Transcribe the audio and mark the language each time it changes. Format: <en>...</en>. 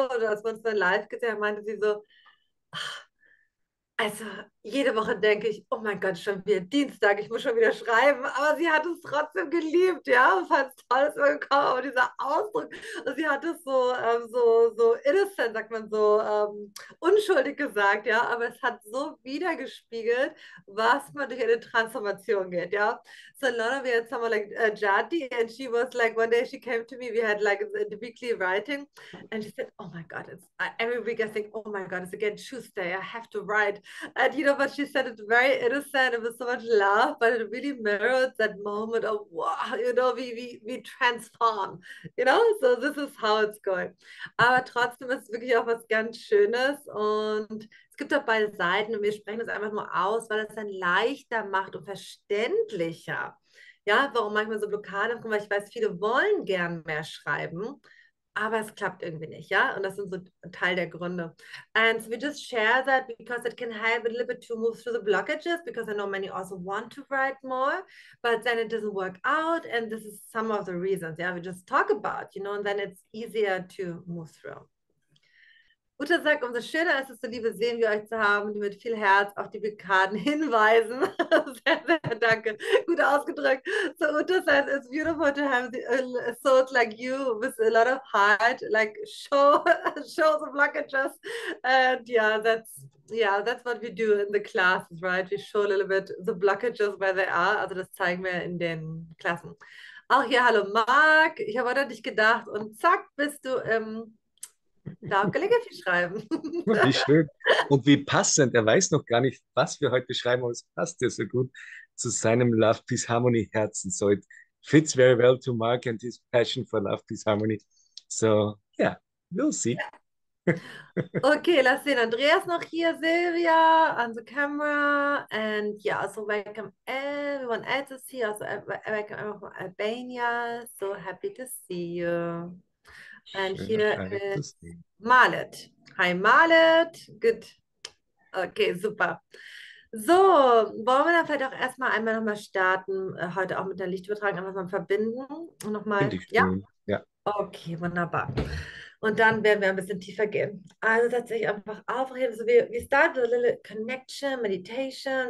<de>Und als wir uns dann live gesehen haben, meinte sie so, ach, also jede Woche denke ich, oh mein Gott, schon wieder Dienstag, ich muss schon wieder schreiben. Aber sie hat es trotzdem geliebt, ja, und fand es toll, dass wir gekommen, aber dieser Ausdruck, und sie hat es so, so innocent, sagt man so, unschuldig gesagt, ja, aber es hat so widergespiegelt, was man durch eine Transformation geht, ja.</de> <en>So in London, we had someone like Jati, and she was like, one day she came to me, we had like the weekly writing, and she said, oh my God, every week I think, oh my God, it's again Tuesday, I have to write. And you know, but she said it's very innocent and with so much love, but it really mirrored that moment of wow, you know, we transform, you know, so this is how it's going.</en> <de>Aber trotzdem ist es wirklich auch was ganz Schönes und es gibt auch beide Seiten und wir sprechen das einfach nur aus, weil es dann leichter macht und verständlicher. Ja, warum manchmal so Blockaden kommen, weil ich weiß, viele wollen gern mehr schreiben. Aber es klappt irgendwie nicht, ja? Und das sind so ein Teil der Gründe.</de> <en>And so we just share that because it can help a little bit to move through the blockages, because I know many also want to write more, but then it doesn't work out. And this is some of the reasons, yeah, we just talk about, you know, and then it's easier to move through.</en> <de>Mutter sagt, umso schöner ist es, so liebe Seelen wie euch zu haben, die mit viel Herz auf die Blockaden hinweisen. Sehr, sehr danke. Gut ausgedrückt.</de> <en>So, Uta says, it's beautiful to have the, souls like you with a lot of heart, like show the blockages. And yeah, that's what we do in the classes, right? We show a little bit the blockages where they are.</en> <de>Also, das zeigen wir in den Klassen. Auch hier, hallo Marc. Ich habe heute an dich gedacht und zack, bist du im. Darf Kollege Wie schön und wie passend. Er weiß noch gar nicht, was wir heute schreiben, aber es passt ja so gut zu seinem Love, Peace, Harmony Herzen.</de> <en>So it fits very well to Mark and his passion for Love, Peace, Harmony. So, yeah, we'll see.</en> <de>okay, lass sehen. Andreas noch hier, Silvia on the camera.</de> <en>And yeah, also welcome everyone else is here. Also welcome everyone from Albania. So happy to see you. And</en> <de>Schön, euch</de> <en>here</en> <de>alle zu</de> <en>is</en> <de>sehen.</de> <en>Marlet. Hi Marlet. Good. Okay, super.</en> <de>So, wollen wir dann vielleicht auch erstmal einmal nochmal starten, heute auch mit der Lichtübertragung einfach mal verbinden. Und Finde nochmal, ich ja? schön, ja. Okay, wunderbar. Und dann werden wir ein bisschen tiefer gehen. Also tatsächlich einfach aufheben.</de> <en>So, we start with a little connection, meditation.</en>